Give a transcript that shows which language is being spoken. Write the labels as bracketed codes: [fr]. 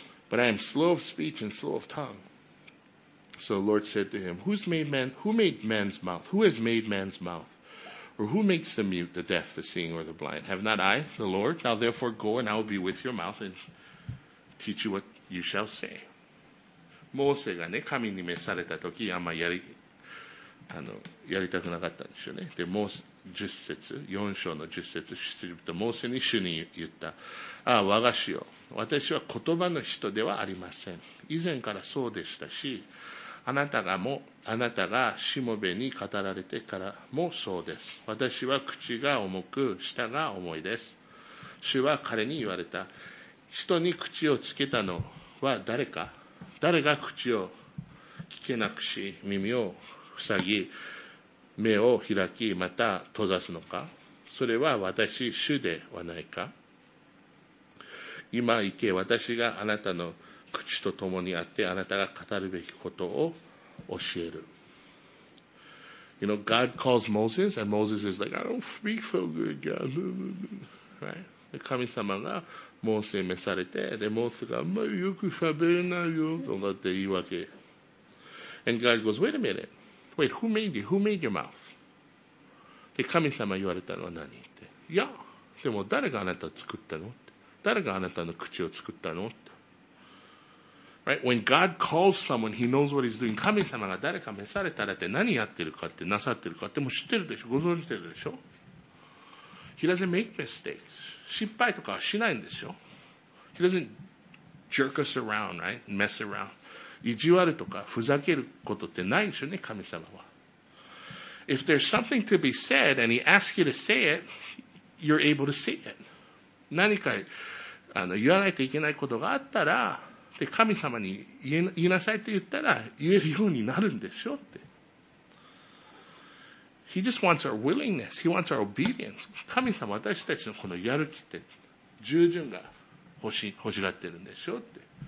[en] But I am slow of speech and slow of tongue. So the Lord said to him, Who made man's mouth? Who has made man's mouth? Or who makes the mute, the deaf, the seeing, or the blind? Have not I, the Lord? Now therefore go, and I will be with your mouth and teach you what you shall say. [ja] モーセがね、神に召された時、あんまやりたくなかったんですよね。で、モーセ、10節、4章の10節、出エジプト、モーセに主に言った。ああ、我が主よ、私は言葉の人ではありません。以前からそうでしたし、あなたがしもべに語られてからもそうです。私は口が重く、舌が重いです。主は彼に言われた。人に口をつけたのは誰か？誰が口を聞けなくし、耳を塞ぎ、目を開き、また閉ざすのか？それは私、主ではないか？今行け、私があなたの口と共にあって、あなたが語るべきことを教える。 [en] You know, God calls Moses, and Moses is like, I don't speak so good, God. Right? [ja] 神様が、モーセに召されて、で、モーセが、まあ、よく喋れないよ、とかって言い訳。 [en] And God goes, wait a minute. Wait, who made you? Who made your mouth? [ja] で、神様言われたのは何って。いや、でも誰があなたを作ったの？誰があなたの口を作ったの？って。 [en] Right? When God calls someone, he knows what he's doing. [ja] 神様が誰か召されたらって何やってるかって、なさってるかって、もう知ってるでしょ？ご存知でしょ？ [en] He doesn't make mistakes. [ja] 失敗とかはしないんですよ。 [en] He doesn't jerk us around, right? Mess around. [ja] 意地悪とかふざけることってないんですよね、神様は。 [en] If there's something to be said and he asks you to say it, you're able to say it. [ja] 何か言わないといけないことがあったら、で神様に言いなさいって言ったら言えるようになるんでしょって。 [en] He just wants our willingness. He wants our obedience. [ja] 神様、私たちのこのやる気って、従順が欲しがってるんでしょって。